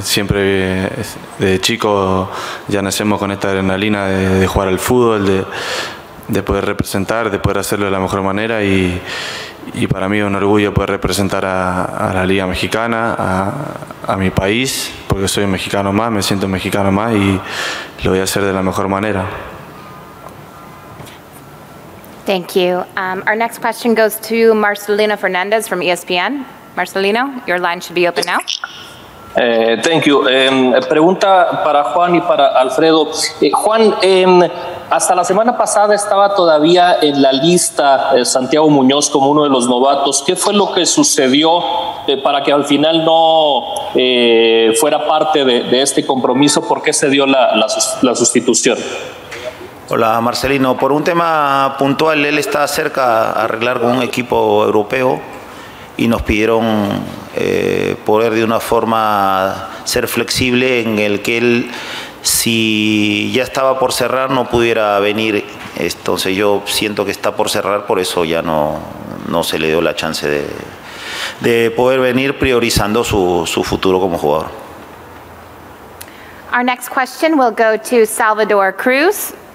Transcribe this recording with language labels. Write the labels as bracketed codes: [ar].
[es] Siempre de chico ya nacemos con esta adrenalina de jugar al fútbol, de poder representar, de poder hacerlo de la mejor manera y para mí es un orgullo poder representar a la Liga Mexicana, a mi país, porque soy mexicano más, me siento mexicano más y lo voy a hacer de la mejor manera. [en] Thank you. Our next question goes to Marcelino Fernandez from ESPN. Marcelino, your line should be open now. Thank you. [es] Pregunta para Juan y para Alfredo. Juan, hasta la semana pasada estaba todavía en la lista Santiago Muñoz como uno de los novatos. ¿Qué fue lo que sucedió para que al final no fuera parte de este compromiso? ¿Por qué se dio la sustitución? Hola, Marcelino. Por un tema puntual, él está cerca a arreglar con un equipo europeo y nos pidieron poder de una forma ser flexible en el que él, si ya estaba por cerrar, no pudiera venir. Entonces yo siento que está por cerrar, por eso ya no se le dio la chance de poder venir priorizando su futuro como jugador. [en] Our next question will go to Salvador Cruz.